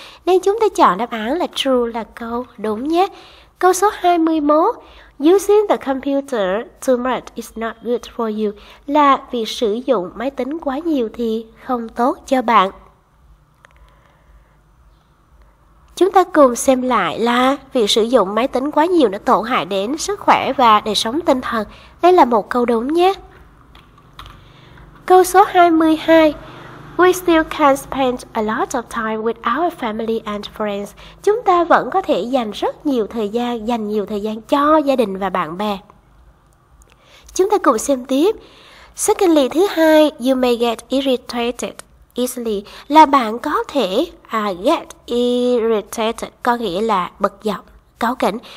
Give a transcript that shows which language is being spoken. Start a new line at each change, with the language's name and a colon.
Vietnamese: Nên chúng ta chọn đáp án là true, là câu đúng nhé. Câu số 21,
English: using the computer too much is not good for you,
Vietnamese: là việc sử dụng máy tính quá nhiều thì không tốt cho bạn. Chúng ta cùng xem lại là việc sử dụng máy tính quá nhiều nó tổn hại đến sức khỏe và đời sống tinh thần. Đây là một câu đúng nhé. Câu số 22,
English: we still can spend a lot of time with our family and friends.
Vietnamese: Chúng ta vẫn có thể dành rất nhiều thời gian, dành nhiều thời gian cho gia đình và bạn bè. Chúng ta cùng xem tiếp.
English: Secondly,
Vietnamese: thứ hai,
English: you may get irritated easily.
Vietnamese: Là bạn có thể
English: get irritated,
Vietnamese: có nghĩa là bực dọc, cáu kỉnh.